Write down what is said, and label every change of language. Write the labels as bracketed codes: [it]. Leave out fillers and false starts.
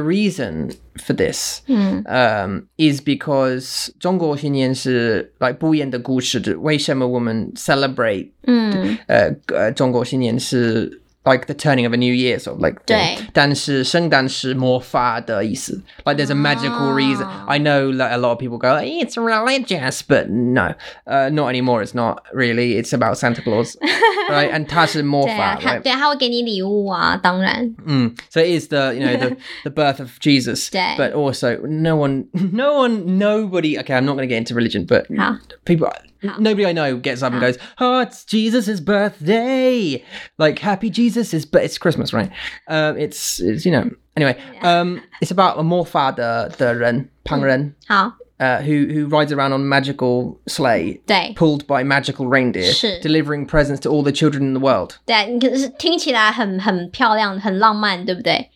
[en] reason for this is because [zh] 中国新年是 like 不一样的故事。为什么我们 celebrate？中国新年是 [en] like the turning of a new year, sort of like. [zh] 对，但是圣诞是魔法的意思. [en] Like there's a magical reason. I know that a lot of people go, hey, it's religious, but no, not anymore. It's not really. It's about Santa Claus, right? And [zh] 它是魔法, [en] right? [zh] 对，他会给你礼物啊，当然. [en] So it is the, you know, the birth of Jesus. [zh] 对. [en] But also, nobody. Okay, I'm not going to get into religion, but [zh] 好. [en] People. Nobody I know gets up and goes, oh, it's Jesus's birthday. Like, happy Jesus, but it's Christmas, right? It's you know. Anyway, it's about a [zh] 魔法的人, 旁人, [en] who rides around on a magical sleigh, [zh] 对, [en] pulled by magical reindeer, [zh] 是, [en] delivering presents to all the children in the world. [zh] 对，听起来很漂亮，很浪漫，对不对？